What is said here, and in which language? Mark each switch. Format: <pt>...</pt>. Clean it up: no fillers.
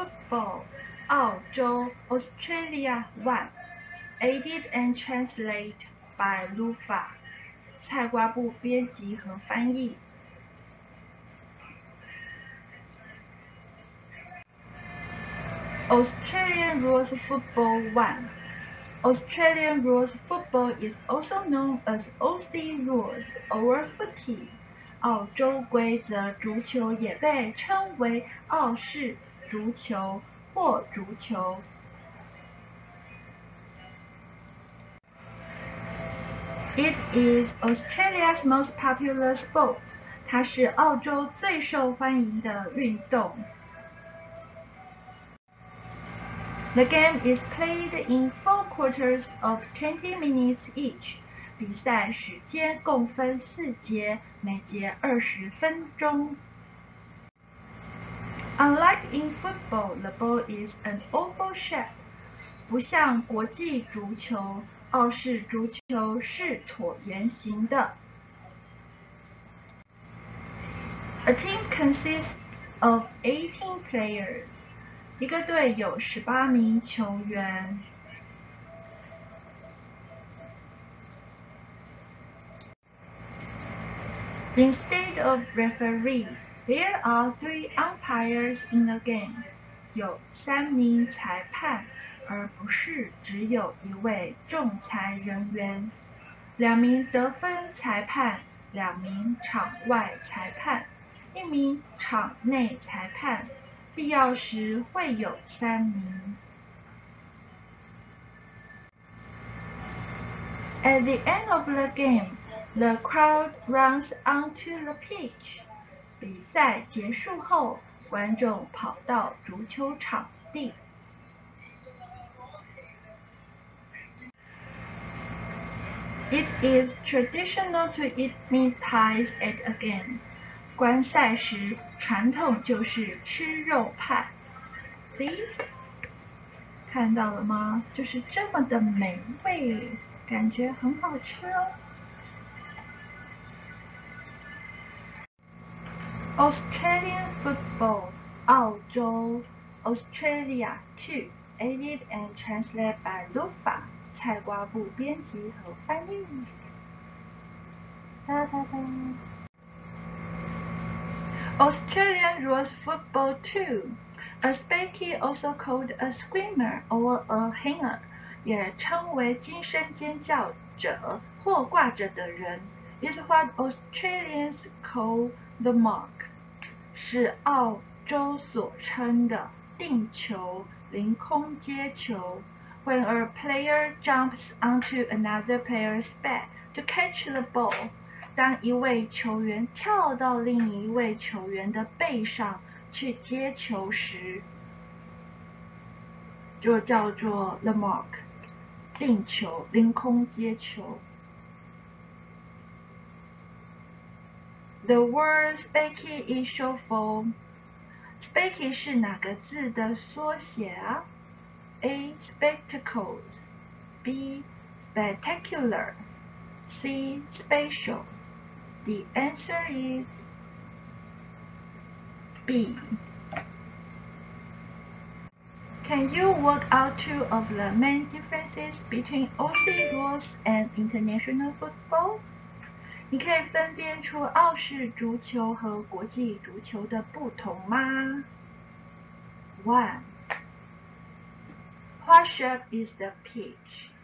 <en>Melbourne, 澳洲 Australia 1 Edit and translate by Lufa</en> <zh>菜瓜布编辑和翻译。</zh> <en>Australian Rules Football 1 Australian Rules Football is also known as Aussie Rules or Footy.</en> <zh>澳洲规则足球也被称为澳式足球或足球。</zh> <en>It is Australia's most popular sport.</en> <zh>它是澳洲最受欢迎的运动。</zh> <en>The game is played in four quarters of 20 minutes each.</en> <zh>比赛时间共分四节，每节20分钟。</zh> <en>Unlike in football, the ball is an oval shape.</en> <zh>不像国际足球，澳式足球是椭圆形的。</zh> <en>A team consists of 18 players.</en> <zh>一个队有18名球员。</zh> <en>Instead of referee, there are three umpires in the game.</en> <zh>有3名裁判，而不是只有一位仲裁人员。 2名得分裁判，2名场外裁判，1名场内裁判，必要时会有3名。</zh> <en>At the end of the game, the crowd runs onto the pitch.</en> <zh>比赛结束后，观众跑到足球场地。</zh> <en>It is traditional to eat meat pies at a game.</en> <zh>观赛时，传统就是吃肉派。</zh> <en>See?</en> <zh>看到了吗？就是这么的美味，感觉很好吃哦。</zh> <en>Australian football, 澳洲 Australia 2, edit and translate by Lufa,</en> <zh>菜瓜布编辑和翻译。哒哒哒。</zh> <en>Australian rules football 2, a speccy also called a screamer or a hanger,</en> <zh>也称为惊声尖叫者或挂着的人</zh> <en>is what Australians call the mark.</en> <zh>是澳洲所称的定球、凌空接球。</zh> <en>When a player jumps onto another player's back to catch the ball，</en> <zh>当一位球员跳到另一位球员的背上去接球时，就叫做</zh> <en>the mark，</en> <zh>定球、凌空接球。</zh> <en>The word speccy is short for.</en> <zh>Speccy 是哪个字的缩写啊？A.</zh> <en>Spectacles. B. Spectacular. C. Special. The answer is B. Can you work out two of the main differences between Aussie rules and international football?</en> <zh>你可以分辨出澳式足球和国际足球的不同吗？</zh> <en>One, what shape is the pitch?</en>